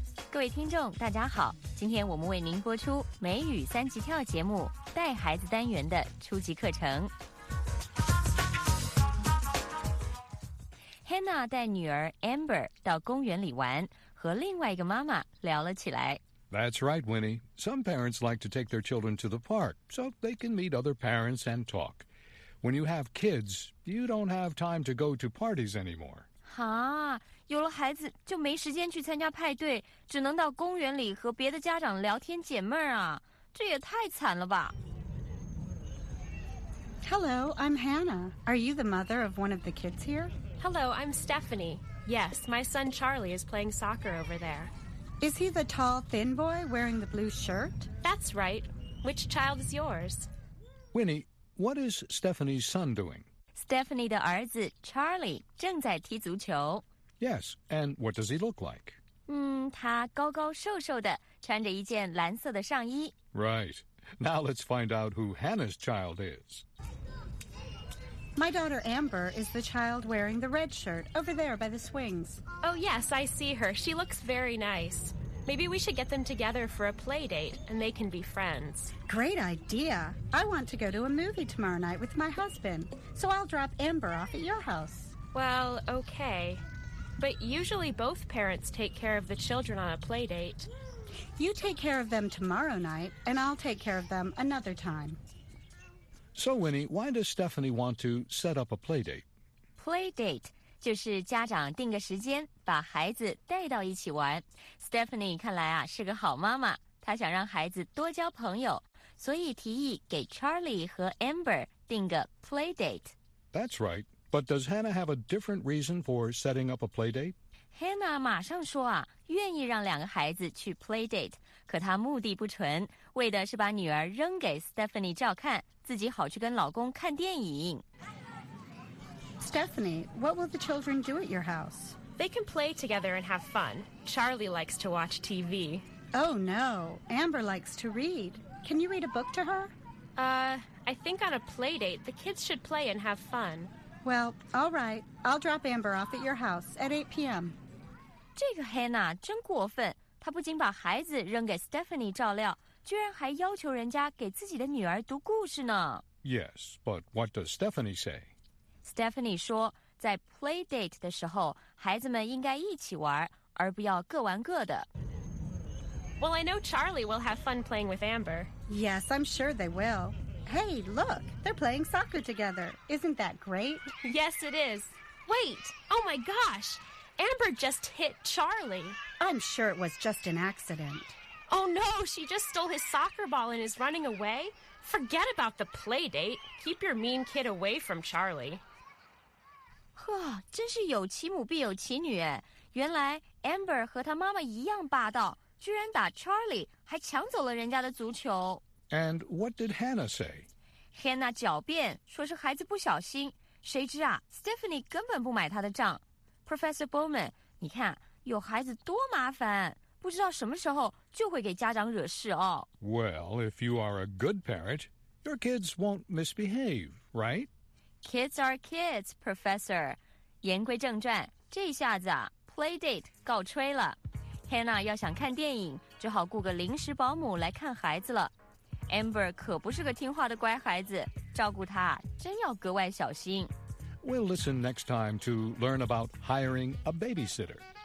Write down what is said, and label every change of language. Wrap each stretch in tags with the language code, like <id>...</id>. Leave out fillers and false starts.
<zh>各位听众大家好，今天我们为您播出美语三级跳节目带孩子单元的初级课程。 Hannah 带女儿 Amber 到公园里玩，和另外一个妈妈聊了起来。</zh> <en>That's right, Winnie. Some parents like to take their children to the park so they can meet other parents and talk. When you have kids, you don't have time to go to parties anymore.</en> <zh>哈，有了孩子就没时间去参加派对，只能到公园里和别的家长聊天解闷啊，这也太惨了吧。</zh> <en>Hello, I'm Hannah. Are you the mother of one of the kids here? Hello, I'm Stephanie. Yes, my son Charlie is playing soccer over there. Is he the tall, thin boy wearing the blue shirt? That's right. Which child is yours? Winnie, what is Stephanie's son doing?</en> <zh>Stephanie 的儿子 Charlie 正在踢足球。</zh> <en>Yes, and what does he look like?</en> <zh>他高高瘦瘦的，穿着一件蓝色的上衣。</zh> <en>Right. Now let's find out who Hannah's child is. My daughter Amber is the child wearing the red shirt over there by the swings. Oh, yes, I see her. She looks very nice. Maybe we should get them together for a play date and they can be friends. Great idea. I want to go to a movie tomorrow night with my husband, so I'll drop Amber off at your house. Well, okay. But usually both parents take care of the children on a play date. You take care of them tomorrow night, and I'll take care of them another time. So, Winnie, why does Stephanie want to set up a play date?</en> <zh>Play date 就是家长定个时间，把孩子带到一起玩。 Stephanie 看来啊，是个好妈妈，她想让孩子多交朋友，所以提议给 Charlie 和 Amber 定个 play date.</zh> <en>That's right. But does Hannah have a different reason for setting up a play date?</en> <zh>Hannah 马上说啊，愿意让两个孩子去 play date, 可她目的不纯，为的是把女儿扔给 Stephanie 照看，自己好去跟老公看电影。</zh> <en>Stephanie, what will the children do at your house? They can play together and have fun. Charlie likes to watch TV. Oh no, Amber likes to read. Can you read a book to her? I think on a play date, the kids should play and have fun. Well, all right, I'll drop Amber off at your house at 8 p.m.</en> <zh>这个 Hannah 真过分，她不仅把孩子扔给 Stephanie 照料，居然还要求人家给自己的女儿读故事呢。</zh> <en>Yes, but what does Stephanie say?</en> <zh>Stephanie 说，在 play date 的时候，孩子们应该一起玩，而不要各玩各的。</zh> <en>Well, I know Charlie will have fun playing with Amber. Yes, I'm sure they will. Hey, look, they're playing soccer together. Isn't that great? Yes, it is. Wait, oh my gosh, Amber just hit Charlie. I'm sure it was just an accident. Oh no, she just stole his soccer ball and is running away? Forget about the play date. Keep your mean kid away from Charlie.</en> <zh>呵，真是有其母必有其女哎。原来 Amber 和她妈妈一样霸道，居然打 Charlie, 还抢走了人家的足球。</zh> <en>And what did Hannah say?</en> <zh>Hannah 狡辩，说是孩子不小心。谁知啊， Stephanie 根本不买她的账。 Professor Bowman, 你看，有孩子多麻烦，不知道什么时候就会给家长惹事哦。</zh> <en>Well, if you are a good parent, your kids won't misbehave, right? Kids are kids, Professor.</en> <zh>言归正传，这下子啊， play date 告吹了。 Hannah 要想看电影，只好雇个临时保姆来看孩子了。 Amber 可不是个听话的乖孩子，照顾她真要格外小心。</zh> <en>We'll listen next time to learn about hiring a babysitter.</en>